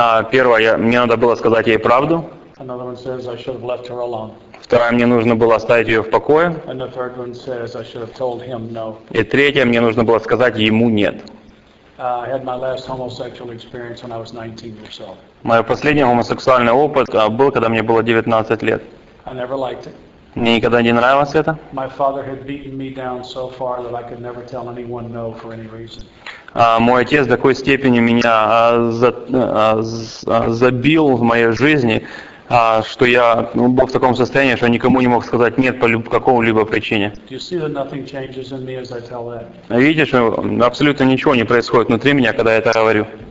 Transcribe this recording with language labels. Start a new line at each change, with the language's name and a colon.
Russian: Первая, мне надо было сказать ей правду.
English: Another one says I should have left her alone.
Russian: Вторая, мне нужно было оставить ее в покое.
English: And the third one says I should have told him no.
Russian: И третья, мне нужно было сказать ему нет.
English: I had my last homosexual experience when I was 19 years old.
Russian: Мой последний гомосексуальный опыт был, когда мне было 19 лет.
English: I never liked it.
Russian: Мне никогда не нравилось это.
English: My father had beaten me down so far that I could never tell anyone no for any reason.
Russian: Мой отец в такой степени меня забил в моей жизни, что я был в таком состоянии, что никому не мог сказать нет по какому-либо причине. Видите, что абсолютно ничего не происходит внутри меня, когда я это говорю.